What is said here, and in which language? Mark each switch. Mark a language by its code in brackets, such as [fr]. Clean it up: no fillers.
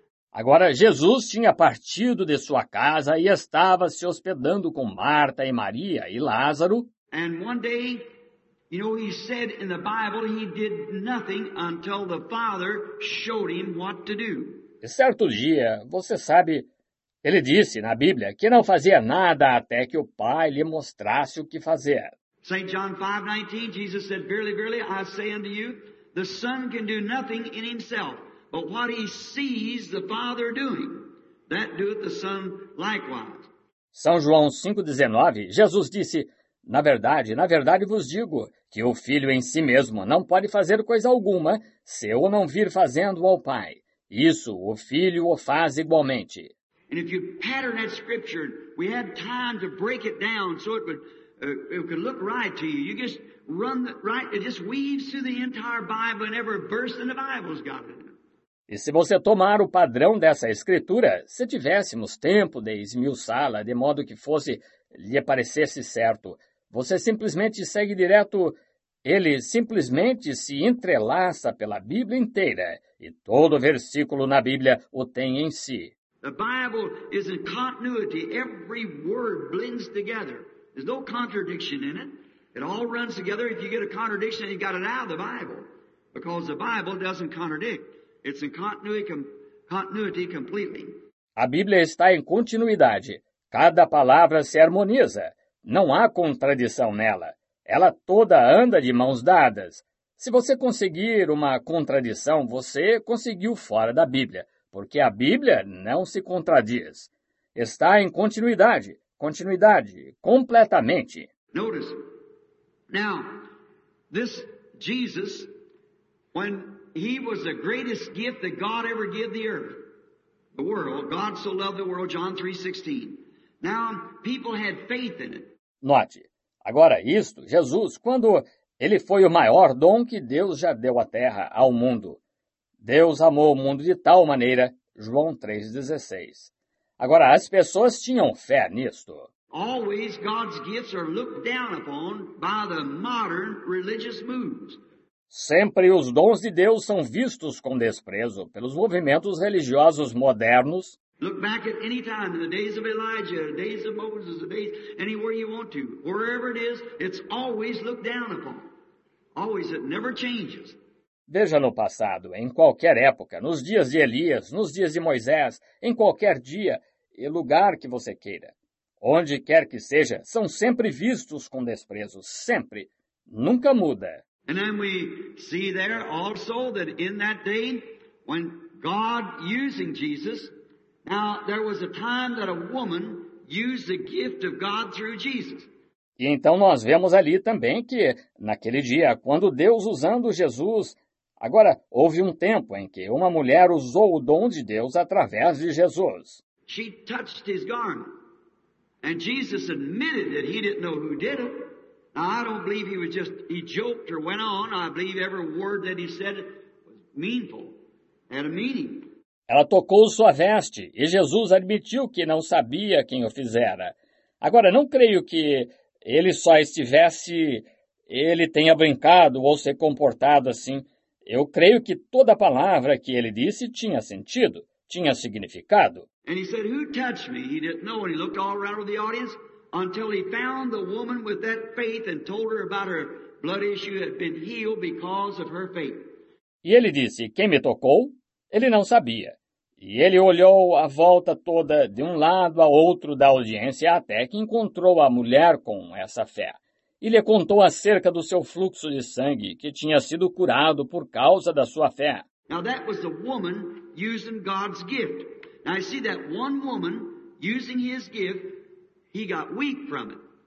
[pt] Agora, Jesus tinha partido de sua casa e estava se hospedando com Marta e Maria e Lázaro. [en] And one day, you know, he said in the Bible he did nothing until the Father showed him what to do. [pt] E certo dia, você sabe, ele disse na Bíblia que não fazia nada até que o Pai lhe mostrasse o que fazer. [en] St. John 5:19, Jesus said, "Verily, verily, I say unto you, the Son can do nothing in himself, but what he sees the Father doing, That doeth the Son likewise. [pt] São João 5:19, Jesus disse: na verdade vos digo que o Filho em si mesmo não pode fazer coisa alguma se o não vir fazendo ao Pai. Isso o Filho o faz igualmente. [en] And if you pattern that scripture, we had time to break it down so it could look right to you. You just run the, right, it just weaves through the entire Bible and every verse in the Bible's got it. [pt] E se você tomar o padrão dessa escritura, se tivéssemos tempo de esmiuçá-la de modo que fosse lhe parecesse certo, você simplesmente segue direto, ele simplesmente se entrelaça pela Bíblia inteira, e todo versículo na Bíblia o tem em si. [en] The Bible is in continuity. Every word blends together. There's no contradiction in it. It all runs together. If you get a contradiction, you got it out of the Bible. Because the Bible doesn't contradict. It's in continuity completely. [pt] A Bíblia está em continuidade. Cada palavra se harmoniza. Não há contradição nela. Ela toda anda de mãos dadas. Se você conseguir uma contradição, você conseguiu fora da Bíblia. Porque a Bíblia não se contradiz. Está em continuidade. Continuidade. Completamente. [en] Notice. Now, this Jesus, when he was the greatest gift that God ever gave the earth, the world, God so loved the world, John 3:16. Now, people had faith in it. Note. [pt] Agora, isto, Jesus, quando ele foi o maior dom que Deus já deu à terra, ao mundo. Deus amou o mundo de tal maneira, João 3:16. Agora, as pessoas tinham fé nisto. [en] Always God's gifts are looked down upon by the modern religious moves. [pt] Sempre os dons de Deus são vistos com desprezo pelos movimentos religiosos modernos. [en] Look back at any time in the days of Elijah, the days of Moses, the days anywhere you want to. Wherever it is, it's always looked down upon. Always, it never changes. [pt] Veja no passado, em qualquer época, nos dias de Elias, nos dias de Moisés, em qualquer dia e lugar que você queira. Onde quer que seja, são sempre vistos com desprezo, sempre. Nunca muda. [en] E then we see there also that in that day, when God using Jesus, now there was a time that a woman used the gift of God through Jesus. [pt] E então nós vemos ali também que, naquele dia, quando Deus usando Jesus, agora, houve um tempo em que uma mulher usou o dom de Deus através de Jesus. [en] She touched his garment. And Jesus admitted that he didn't know who did it. Now, I don't believe he joked or went on. I believe every word that he said was meaningful, had a meaning. [pt] Ela tocou sua veste e Jesus admitiu que não sabia quem o fizera. Agora, não creio que ele só estivesse, ele tenha brincado ou se comportado assim. Eu creio que toda palavra que ele disse tinha sentido, tinha significado. [en] And he said, "Who touched me?" He didn't know, and he looked all around the audience until he found the woman with that faith and told her about her blood issue had been healed because of her faith. [pt] E ele disse, "Quem me tocou?" Ele não sabia. E ele olhou a volta toda de um lado a outro da audiência até que encontrou a mulher com essa fé. E lhe contou acerca do seu fluxo de sangue, que tinha sido curado por causa da sua fé. [en] Now that was the woman using God's gift. Now I see that one woman using his gift, he got weak from it.